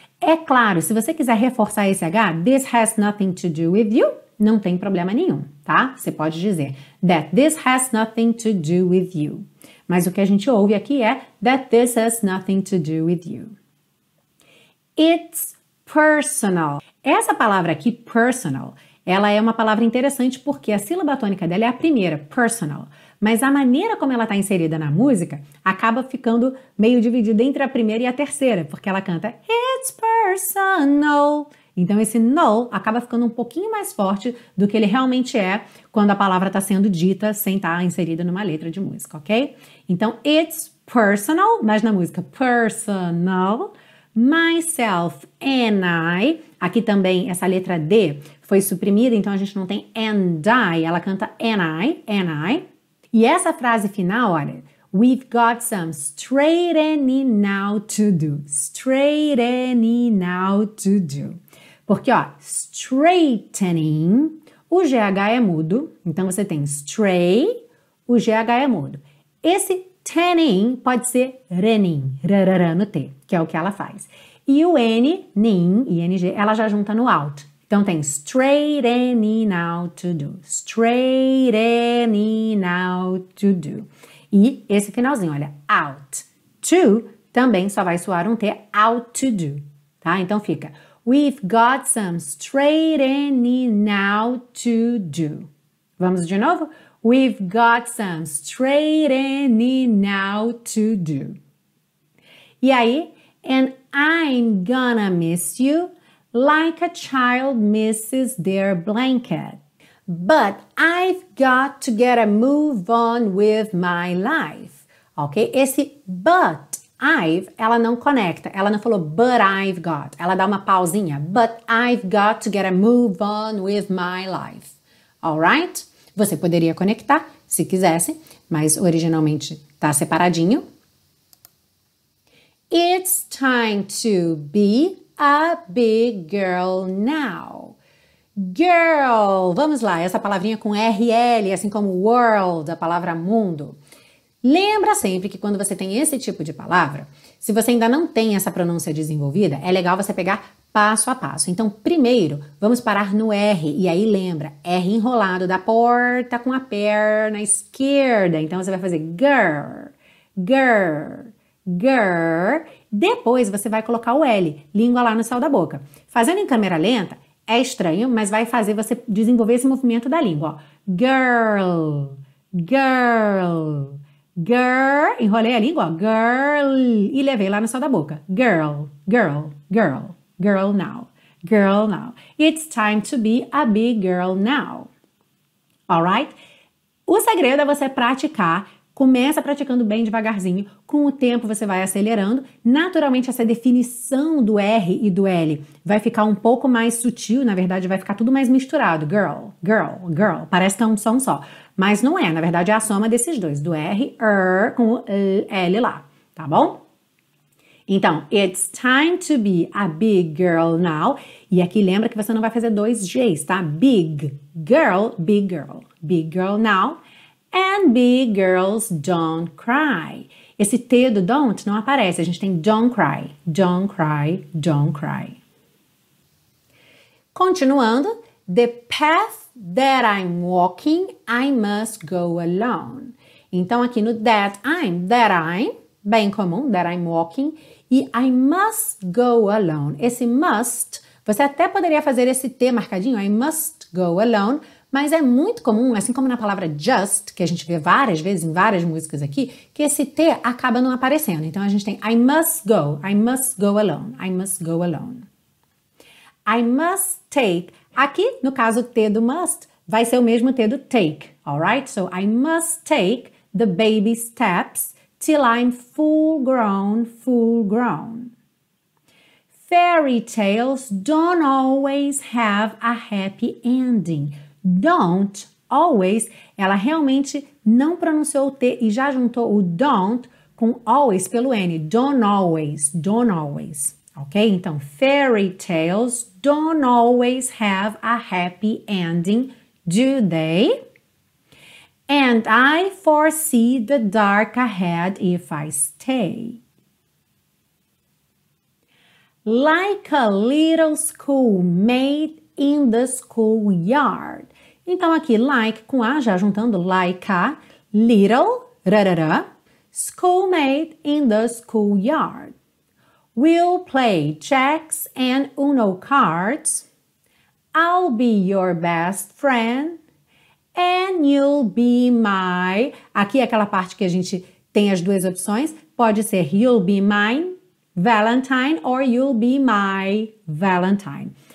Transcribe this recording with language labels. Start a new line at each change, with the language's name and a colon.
Portuguese: É claro, se você quiser reforçar esse H,
English: this has nothing to do with you,
Portuguese: não tem problema nenhum, tá? Você pode dizer
English: that this has nothing to do with you.
Portuguese: Mas o que a gente ouve aqui é
English: that this has nothing to do with you. It's personal.
Portuguese: Essa palavra aqui, personal, ela é uma palavra interessante porque a sílaba tônica dela é a primeira, personal. Mas a maneira como ela está inserida na música acaba ficando meio dividida entre a primeira e a terceira, porque ela canta
English: it's personal.
Portuguese: Então esse no acaba ficando um pouquinho mais forte do que ele realmente é quando a palavra está sendo dita sem estar inserida numa letra de música, ok? Então, it's personal, mas na música,
English: personal, myself and I,
Portuguese: aqui também essa letra D foi suprimida, então a gente não tem and I, ela canta and I. E essa frase final, olha,
English: we've got some straightening out to do, straightening out to do.
Portuguese: Porque, ó, straightening, o GH é mudo, então você tem straight, o GH é mudo. Esse tanning pode ser renin, rarará no T, que é o que ela faz. E o N, nin, ing, ela já junta no out.
English: Então tem straightening out to do, straightening out to do.
Portuguese: E esse finalzinho, olha,
English: out, to, T,
Portuguese: também só vai soar um T
English: out to do,
Portuguese: tá? Então fica,
English: we've got some straightening out to do.
Portuguese: Vamos de novo?
English: We've got some straightening out to do.
Portuguese: E aí,
English: and I'm gonna miss you like a child misses their blanket. But I've got to get a move on with my life. Ok?
Portuguese: Esse but I've, ela não conecta. Ela não falou
English: but I've got.
Portuguese: Ela dá uma pausinha.
English: But I've got to get a move on with my life. Alright?
Portuguese: Você poderia conectar, se quisesse, mas originalmente tá separadinho.
English: It's time to be a big girl now.
Portuguese: Girl, vamos lá, essa palavrinha com RL, assim como world, a palavra mundo. Lembra sempre que quando você tem esse tipo de palavra, se você ainda não tem essa pronúncia desenvolvida, é legal você pegar passo a passo. Então, primeiro, vamos parar no R, e aí lembra, R enrolado da porta com a perna esquerda. Então, você vai fazer girl, girl, girl. Depois, você vai colocar o L, língua lá no céu da boca. Fazendo em câmera lenta, é estranho, mas vai fazer você desenvolver esse movimento da língua. Ó. Girl, girl, girl. Enrolei a língua, ó. Girl. E levei lá no céu da boca.
English: Girl, girl, girl, girl now, girl now. It's time to be a big girl now. Alright?
Portuguese: O segredo é você praticar. Começa praticando bem devagarzinho. Com o tempo, você vai acelerando. Naturalmente, essa definição do R e do L vai ficar um pouco mais sutil. Na verdade, vai ficar tudo mais misturado. Girl, girl, girl. Parece que é um som só. Mas não é. Na verdade, é a soma desses dois. Do R, R, com o L lá. Tá bom?
English: Então, it's time to be a big girl now.
Portuguese: E aqui, lembra que você não vai fazer dois Gs, tá?
English: Big girl, big girl. Big girl now. And big girls don't cry.
Portuguese: Esse T do don't não aparece. A gente tem
English: don't cry. Don't cry, don't cry.
Portuguese: Continuando.
English: The path that I'm walking, I must go alone.
Portuguese: Então, aqui no that I'm, bem comum,
English: that I'm walking. E I must go alone.
Portuguese: Esse must, você até poderia fazer esse T marcadinho.
English: I must go alone.
Portuguese: Mas é muito comum, assim como na palavra just, que a gente vê várias vezes em várias músicas aqui, que esse T acaba não aparecendo. Então, a gente tem
English: I must go alone, I must go alone. I must take,
Portuguese: aqui, no caso, T do must, vai ser o mesmo T do take, alright?
English: So, I must take the baby steps till I'm full grown, full grown. Fairy tales don't always have a happy ending.
Portuguese: Don't, always, ela realmente não pronunciou o T e já juntou o don't com always pelo N.
English: Don't always, ok? Então, fairy tales don't always have a happy ending, do they? And I foresee the dark ahead if I stay. Like a little schoolmate in the schoolyard.
Portuguese: Então, aqui, like com a, já juntando, like a, little, rarara,
English: schoolmate in the schoolyard. We'll play checks and Uno cards. I'll be your best friend and you'll be my...
Portuguese: Aqui é aquela parte que a gente tem as duas opções. Pode ser
English: you'll be mine, Valentine, or you'll be my Valentine.